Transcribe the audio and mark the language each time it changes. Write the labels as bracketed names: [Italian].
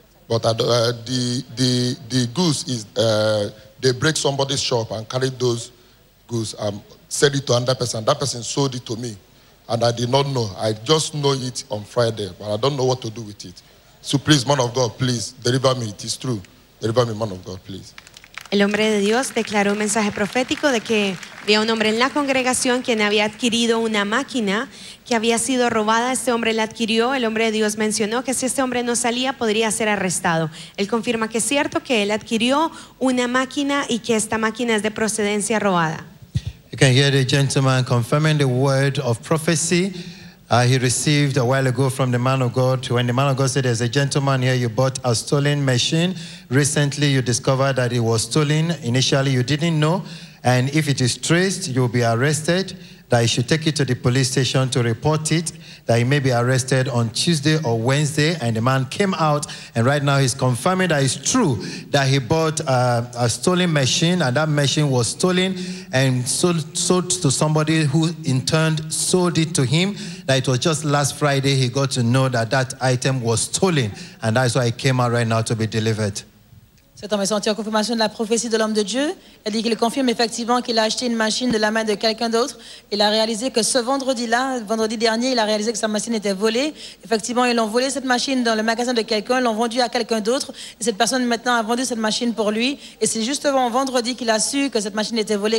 [English] But the goose is, they break somebody's shop and carry those goose and sell it to another person. That person sold it to me. And I did not know. I just know it on Friday, but I don't know what to do with it. So please, man of God, please, deliver me. It is true. Deliver me, man of God, please. [Spanish] El hombre de Dios declaró un mensaje profético de que había un hombre en la congregación quien había adquirido una máquina que había sido robada. Este hombre la adquirió. El hombre de Dios mencionó que si este hombre no salía, podría ser arrestado. Él confirma que es cierto que él adquirió una máquina y que esta máquina es de procedencia robada. [English] You can hear the gentleman confirming the word of prophecy he received a while ago from the man of God. When the man of God said, there's a gentleman here, you bought a stolen machine. Recently, you discovered that it was stolen. Initially, you didn't know. And if it is traced, you'll be arrested. that he should take it to the police station to report it, that he may be arrested on Tuesday or Wednesday. And the man came out, and right now he's confirming that it's true that he bought a stolen machine, and that machine was stolen and sold to somebody who in turn sold it to him. That it was just last Friday he got to know that that item was stolen, and that's why he came out right now to be delivered. [French] Cet homme est senti en confirmation de la prophétie de l'homme de Dieu. Elle dit qu'il confirme effectivement qu'il a acheté une machine de la main de quelqu'un d'autre. Il a réalisé que ce vendredi-là, vendredi dernier, il a réalisé que sa machine était volée. Effectivement, ils l'ont volé cette machine dans le magasin de quelqu'un, l'ont vendue à quelqu'un d'autre. Et cette personne maintenant a vendu cette machine pour lui. Et c'est justement vendredi qu'il a su que cette machine était volée.